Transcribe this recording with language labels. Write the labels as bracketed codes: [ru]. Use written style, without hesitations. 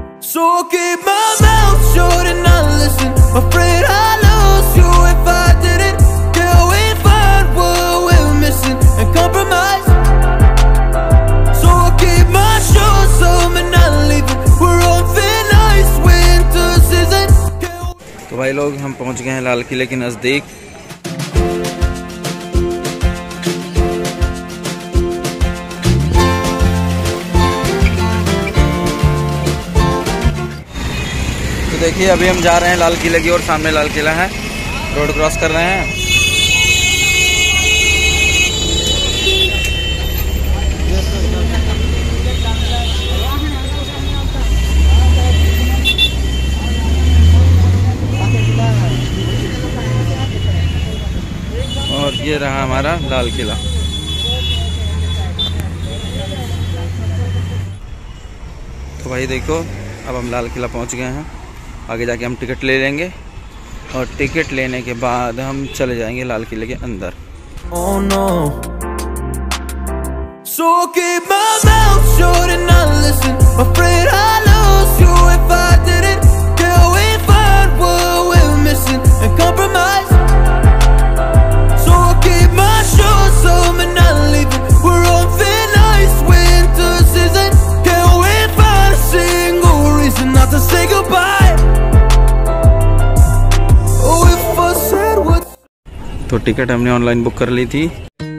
[en] So keep my mouth shut and not listen. Afraid I'd lose you if I didn't. Till we find what we're missing and compromise. So I keep my shoes on and not leaving. We're on thin ice winter season. [hi] तो भाई लोग हम पहुंच गए हैं लाल किले के नजदीक। देखिए अभी हम जा रहे हैं लाल किले की ओर, सामने लाल किला है, रोड क्रॉस कर रहे हैं। ये रहा हमारा लाल किला। तो भाई देखो अब हम लाल किला पहुंच गए हैं, आगे जाके हम टिकट ले लेंगे और टिकट लेने के बाद हम चले जाएंगे लाल किले के अंदर। [en] Oh no. So keep my mouth shut and not listen. Afraid I lose you if I didn't. Can we find what we're missing and compromise? So keep my shoes on and not leaving. We're on thin ice, winter season. Can we find a single reason not to say goodbye? Oh, if I said what? [hi] तो ticket हमने online book कर ली थी।